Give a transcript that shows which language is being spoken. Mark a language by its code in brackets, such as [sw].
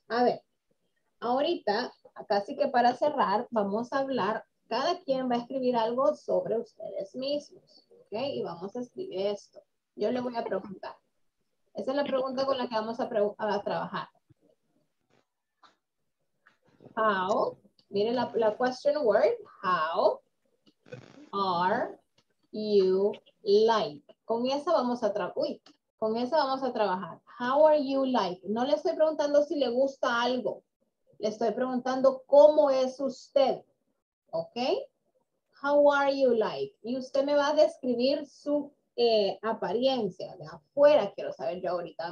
[es] A ver, ahorita, casi que para cerrar, vamos a hablar. Cada quien va a escribir algo sobre ustedes mismos, ¿ok? Y vamos a escribir esto. Yo le voy a preguntar. Esa es la pregunta con la que vamos a trabajar. [en] How, [es] mire la [en] question word, how are you like? [es] Con esa vamos a trabajar, uy, con esa vamos a trabajar. [en] How are you like? [es] No le estoy preguntando si le gusta algo. Le estoy preguntando cómo es usted. ¿Ok? [en] How are you like? [es] Y usted me va a describir su apariencia de afuera, quiero saber yo ahorita.